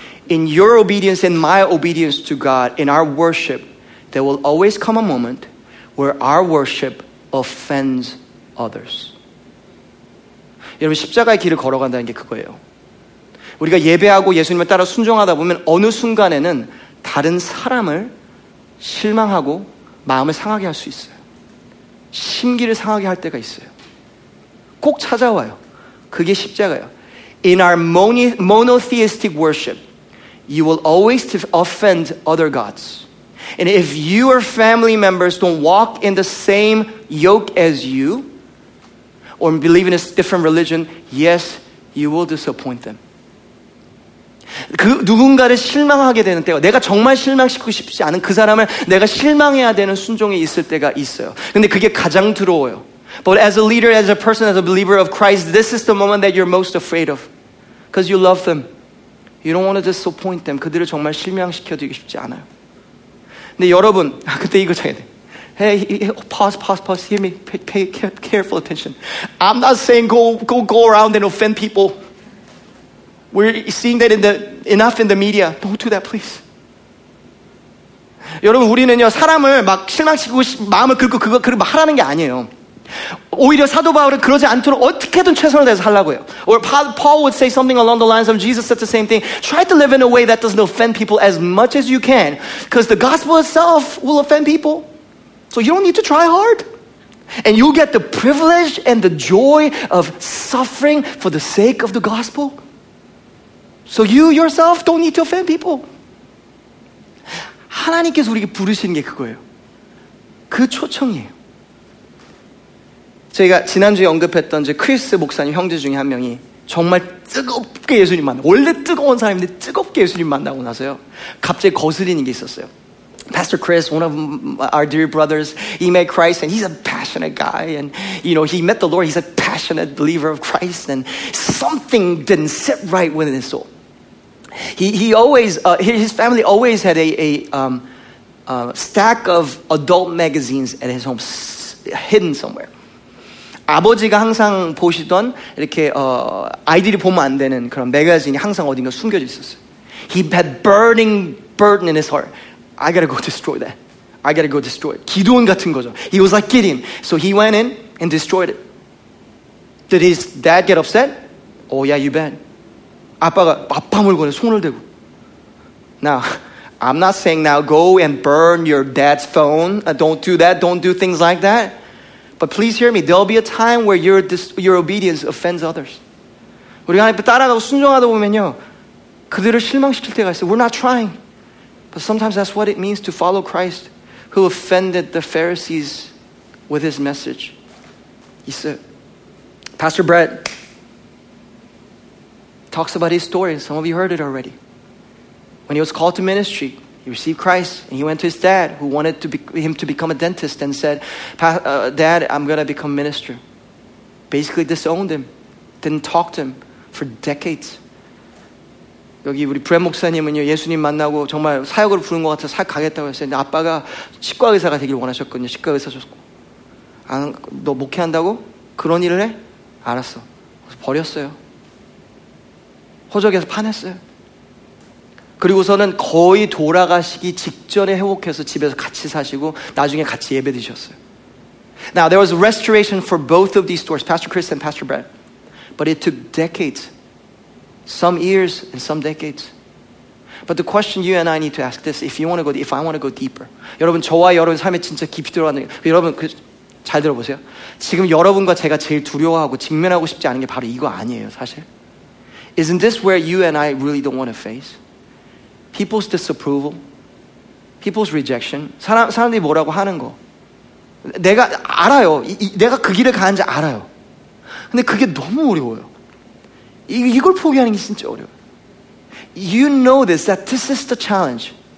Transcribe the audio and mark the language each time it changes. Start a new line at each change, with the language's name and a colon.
English: In your obedience and my obedience to God, in our worship, there will always come a moment where our worship offends others.
Korean: 여러분, 십자가의 길을 걸어간다는 게 그거예요. 우리가 예배하고 예수님을 따라 순종하다 보면 어느 순간에는 다른 사람을 실망하고 마음을 상하게 할 수 있어요. 심기를 상하게 할 때가 있어요. 꼭 찾아와요. 그게 십자가예요.
English: In our monotheistic worship, you will always offend other gods. And if your family members don't walk in the same yoke as you, or believe in a different religion, yes, you will disappoint them.
Korean: 그 누군가를 실망하게 되는 때가 내가 정말 실망시키고 싶지 않은 그 사람을 내가 실망해야 되는 순종이 있을 때가 있어요. 근데 그게 가장 두려워요.
English: But as a leader, as a person, as a believer of Christ, this is the moment that you're most afraid of. Because you love them. You don't want to disappoint them.
Korean: 그들을 정말 실망시켜드리고 싶지 않아요. 근데 여러분, 그때 이거 잘해야 돼.
English: Hey, pause. Hear me. Pay careful attention. I'm not saying go around and offend people. We're seeing that enough in the media. Don't do that, please.
Korean: 여러분, 우리는요, 사람을 막 실망시키고 마음을 긁고 그거 하라는 게 아니에요. 오히려 사도 바울은 그러지 않도록 어떻게든 최선을 다해서 하려고 해요.
English: Or Paul would say something along the lines of Jesus said the same thing. Try to live in a way that doesn't offend people as much as you can. Because the gospel itself will offend people. So you don't need to try hard. And you'll get the privilege and the joy of suffering for the sake of the gospel. So you yourself don't need to offend people.
Korean: 하나님께서 우리에게 부르시는 게 그거예요. 그 초청이에요. 제가 지난주에 언급했던 이제 크리스 목사님 형제 중에 한 명이 정말 뜨겁게 예수님 만나 원래 뜨거운 사람인데 뜨겁게 예수님 만나고 나서요 갑자기 거스리는 게 있었어요.
English: Pastor Chris, one of our dear brothers, he met Christ and he's a passionate guy and you know he met the Lord. He's a passionate believer of Christ and something didn't sit right within his soul. He always his family always had a stack of adult magazines at his home hidden somewhere.
Korean: 아버지가 항상 보시던 이렇게 아이들이 보면 안 되는 그런 매거진이 항상 어딘가 숨겨져 있었어요.
English: He had burning burden in his heart. I gotta go destroy that. I gotta go destroy it.
Korean: 기도원 같은 거죠.
English: He was like Gideon. So he went in and destroyed it. Did his dad get upset? Oh yeah, you bet.
Korean: 아빠가 아빠 물건에 손을 대고.
English: Now, I'm not saying now go and burn your dad's phone. Don't do that. Don't do things like that. But please hear me. There'll be a time where your obedience offends others.
Korean: 우리가 하나님께 따라가고 순종하다 보면요, 그들을 실망시킬 때가 있어요.
English: We're not trying. But sometimes that's what it means to follow Christ, who offended the Pharisees with his message.
Korean: 있어요. Pastor Brett
English: talks about his story. Some of you heard it already. When he was called to ministry, he received Christ, and he went to his dad, who wanted him to become a dentist, and said, Dad, I'm going to become minister. Basically disowned him, didn't talk to him for decades.
Korean: 여기 우리 브렛 목사님은요, 예수님 만나고 정말 사역으로 부른 것 같아서 사역 가겠다고 했어요. 근데 아빠가 치과 의사가 되길 원하셨거든요. 치과 의사셨고. 아, 너 목회한다고? 그런 일을 해? 알았어. 그래서 버렸어요. 호적에서 파냈어요. 그리고서는 거의 돌아가시기 직전에 회복해서 집에서 같이 사시고 나중에 같이 예배 드셨어요.
English: Now there was restoration for both of these stories, Pastor Chris and Pastor Brett. But it took decades. Some years and some decades. But the question you and I need to ask this, if I want to go deeper.
Korean: 여러분, 저와 여러분 삶에 진짜 깊이 들어가는 거예요. 여러분, 잘 들어보세요. 지금 여러분과 제가 제일 두려워하고 직면하고 싶지 않은 게 바로 이거 아니에요, 사실.
English: Isn't this where you and I really don't want to face? People's disapproval, people's rejection.
Korean: 사람들이 뭐라고 하는 거. 내가 알아요. 내가 그 길을 가는지 알아요. 근데 그게 너무 어려워요. 이걸 포기하는 게 진짜 어려워요.
English: You know this, that this is the challenge.